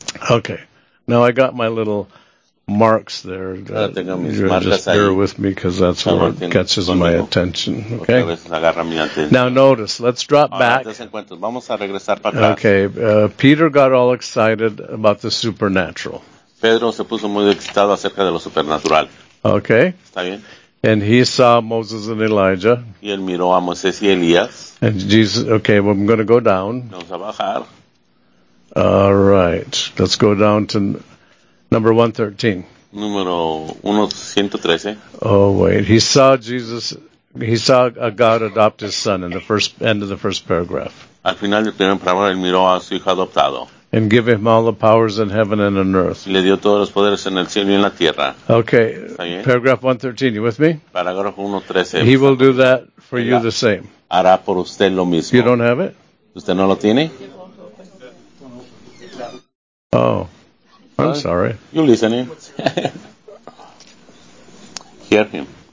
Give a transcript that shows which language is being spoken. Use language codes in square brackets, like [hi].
[en] Okay, now I got my little marks there. Just bear with me because that's [es] ahora [en] what catches [es] conmigo. [en] My attention. Okay. Now notice, let's drop [es] ahora, [en] back. [es] Vamos a regresar para [en] okay, Peter got all excited about the supernatural. [es] Pedro se puso muy excitado acerca de lo supernatural. [en] Okay. [es] ¿Está bien? [en] And he saw Moses and Elijah. [es] Y él miró a Moisés y Elías. [en] And Jesus, okay, well, I'm going to go down. [es] Vamos a bajar. [en] All right. Let's go down to number 113. [es] Número 113. [en] Oh, wait. He saw a God adopt his son in the first end of the first paragraph. [es] Al final del primer parágrafo, él miró a su hijo adoptado. [en] And give him all the powers in heaven and on earth. [es] Le dio todos los poderes en el cielo y en la tierra. [en] Okay, paragraph 113, you with me? Paragraph 113. He will do that for you the same. [es] Hará por usted lo mismo. [en] You don't have it? [es] ¿Usted no lo tiene? [en] Oh, I'm sorry. You listening. Hear him.